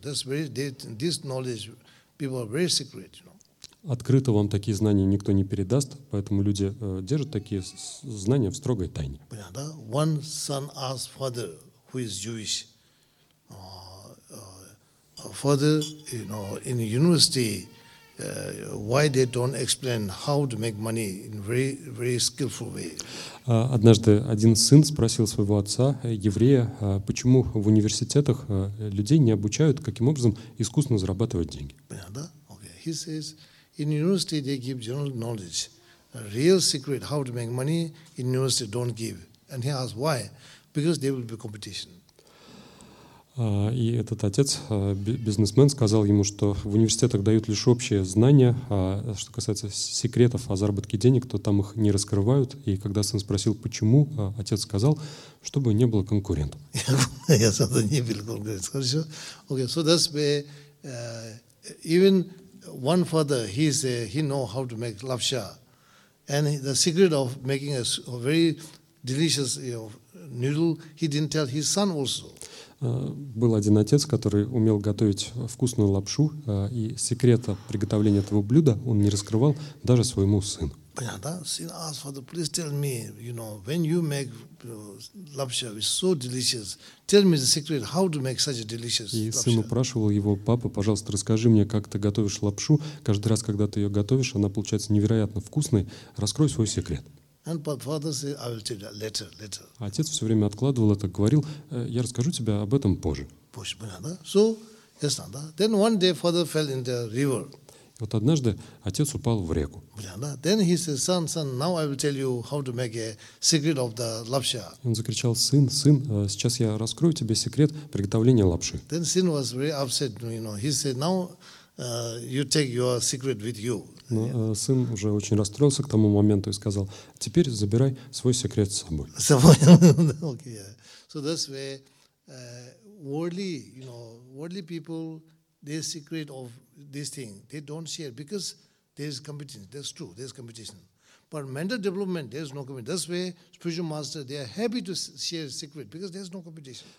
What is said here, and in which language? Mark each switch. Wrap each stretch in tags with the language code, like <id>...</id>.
<en>That's very this knowledge people are very secret, you know.</en> <ru>Открыто вам такие знания никто не передаст, поэтому люди держат такие знания в строгой тайне.</ru> <en>Yeah,</en> <ru>да?</ru> <en>One son asked father, who is Jewish. Father, you know, in university, why they don't explain how to make money in very, very skillful way?</en> <ru>Однажды один сын спросил своего отца, еврея, почему в университетах людей не обучают, каким образом искусно зарабатывать деньги. Понятно?</ru> <en>Okay. He says, in university they give general knowledge. Real secret how to make money in university don't give. And he asked, why? Because there will be competition.</en> <ru>И этот отец, бизнесмен, сказал ему, что в университетах дают лишь общие знания, а что касается секретов о заработке денег, то там их не раскрывают. И когда сын спросил, почему, отец сказал, чтобы не было конкурентов. Я сказал, не было конкурентов. Хорошо.</ru> <en>Okay, so that's where even one father, he know how to make lavsha. And the secret of making a very delicious, you know, noodle, he didn't tell his son also.</en> <ru>Был один отец, который умел готовить вкусную лапшу, и секрета приготовления этого блюда он не раскрывал даже своему сыну. Понятно, да?</ru> <en>Сын asked father, please tell me, you know, when you make lapsha, it's so delicious. Tell me the secret, how to make such a delicious lapsha.</en> <ru>И сын упрашивал его, папа, пожалуйста, расскажи мне, как ты готовишь лапшу. Каждый раз, когда ты ее готовишь, она получается невероятно вкусной. Раскрой свой секрет.</ru> <en>And father said, "I will tell you later, later."</en> <ru>Отец все время откладывал это, говорил, я расскажу тебе об этом позже. Позже, понятно, да?</ru> <en>So, yes,</en> <ru>да?</ru> <en>Then one day father fell in the river.</en> <ru>Вот однажды отец упал в реку. Понятно, да?</ru> <en>Then he said, son, now I will tell you how to make a secret of the lapsha.</en> <ru>Он закричал, сын, сейчас я раскрою тебе секрет приготовления лапши.</ru> <en>Then son was very upset, you know. He said, now you take your secret with you.</en> <ru>Но сын уже очень расстроился к тому моменту и сказал, теперь забирай свой секрет с собой. С собой, окей, да.</ru> <en>So that's where worldly, you know, worldly people, their secret of this thing, they don't share because there's competition, that's true, there's competition. But mental development, there's no competition. That's where spiritual master, they are happy to share secret because there's no competition.</en>